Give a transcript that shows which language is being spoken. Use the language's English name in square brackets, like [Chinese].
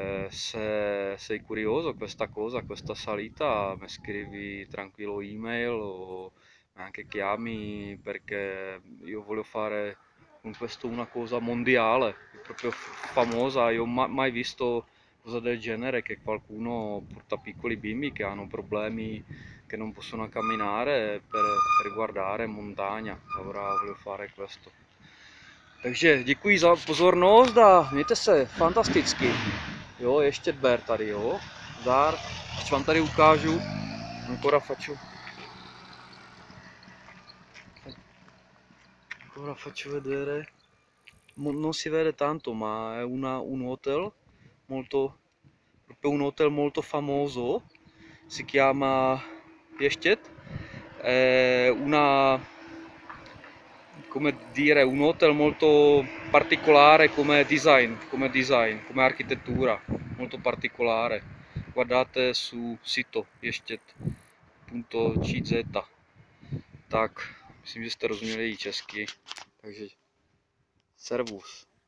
[Italian] Se sei curioso questa cosa, questa salita, mi scrivi tranquillo email o anche chiami perché io voglio fare con questo una cosa mondiale, proprio famosa. Io ho mai visto cosa del genere, che qualcuno porta piccoli bimbi che hanno problemi, che non possono camminare per guardare montagna. Allora voglio fare questo. [Czech] Takže děkuji za pozornost a mějte se fantasticky. Jo, ještě ber tady, jo. Zdar, až vám tady ukážu. [Italian] Ancora faccio vedere. Non si vede tanto, ma è un hotel molto, un hotel molto famoso, si chiama Piestet, è una, come dire, un hotel molto particolare come architettura, molto particolare. Guardate su sito piestet.cz, [Czech] tak, myslím, že jste rozuměli i česky, takže servus.